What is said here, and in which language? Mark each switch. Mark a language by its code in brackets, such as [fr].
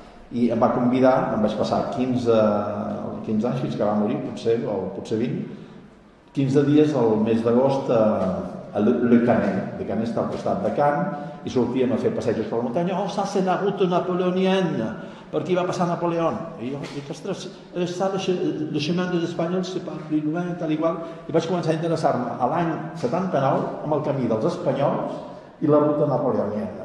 [ca] I em va convidar, em vaig passar 15 anys fins que va morir, potser 20, 15 dies al mes d'agost a Le Canet. Le Canet està al costat de Cannes i sortíem a fer passejos per la muntanya. [fr] «Oh, ça c'est la route napoléonienne!» [ca] «Per qui va passar Napoleó?» I jo dic, «Ostres, [fr] ça le chemin des espanyols, c'est pas plus loin», [ca] tal i qual. I vaig començar a interessar-me a l'any 79 amb el camí dels espanyols i la ruta napoleonienne.